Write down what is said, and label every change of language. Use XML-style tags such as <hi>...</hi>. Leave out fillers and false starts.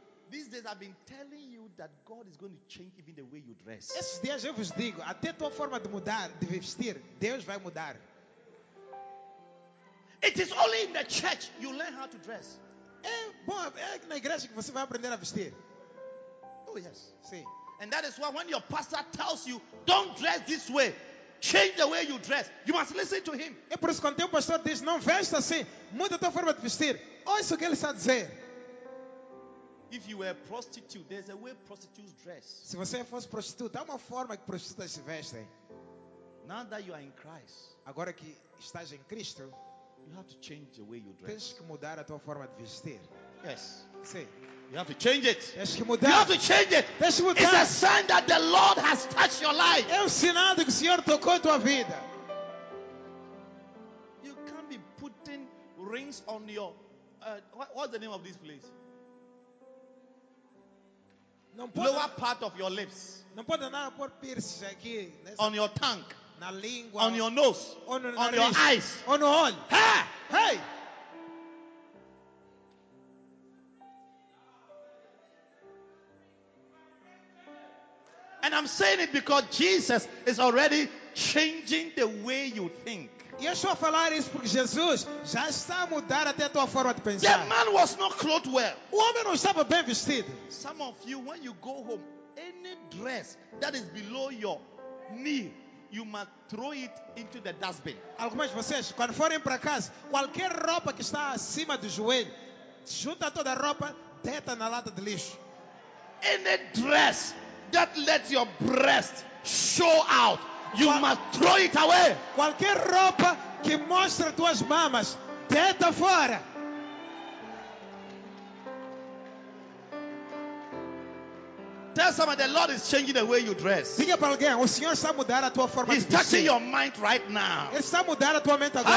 <en>These days I've been telling you that God is going to change even the way you dress.</en> <pt>Esses dias eu vos digo, até tua forma de mudar, de vestir, Deus vai mudar.</pt> <en>It is only in the church you learn how to dress.</en> <pt>É bom, é na igreja que você vai aprender a vestir.</pt> <en>Oh yes, see. And that is why when your pastor tells you, don't dress this way, change the way you dress, you must listen to him.</en> <pt>É por isso que quando teu pastor diz, não veste assim, muda a tua forma de vestir. Ouça o que ele está a dizer.</pt> <en>If you were a prostitute, there's a way prostitutes dress.</en> <pt>Se você fosse prostituta, há uma forma que prostitutas se vestem.</pt> <en>Now that you are in Christ,</en> <pt>agora que estás em Cristo,</pt> <en>you have to change the way you dress.</en> <pt>Tens que mudar a tua forma de vestir.</pt> <en>Yes.</en> <pt>Sim.</pt> <en>You have to change it.</en> <pt>Tens que mudar.</pt> <en>You have to change it.</en> <pt>Tens que mudar.</pt> <en>It's a sign that the Lord has touched your life.</en> <pt>É um sinal de que o Senhor tocou a tua vida.</pt> <en>You can't be putting rings on your what's the name of this place?</en> <pt>Não pode,</pt> <en>lower part of your lips.</en> <pt>Não pode nada por piercing aqui.</pt> <en>On your tongue.</en> <pt>Na língua.</pt> <en>On your nose.</en> <pt>Ou no nariz,</pt> <en>on your eyes.</en> <pt>Ou no olho. Hey! Hey!</pt> <en>And I'm saying it because Jesus is already changing the way you think.</en> <pt>E eu estou a falar isso porque Jesus já está a mudar até a tua forma de pensar.</pt> <en>The man was not clothed well.</en> <pt>O homem não estava bem vestido.</pt> <en>Some of you, when you go home, any dress that is below your knee, you must throw it into the dustbin.</en> <pt>Algumas de vocês, quando forem para casa, qualquer roupa que está acima do joelho, junta toda a roupa, deita na lata de lixo.</pt> <en>Any dress that lets your breast show out, you must throw it away.</en> <pt>Qualquer roupa que mostra tuas mamas, deita fora.</pt> <en>Tell someone the Lord is changing the way you dress.</en> <pt>Diga para alguém, o Senhor está a mudar a tua forma de vestir.</pt> <en>He's touching your mind right now.</en> <pt>Ele está a mudar a tua mente agora.</pt>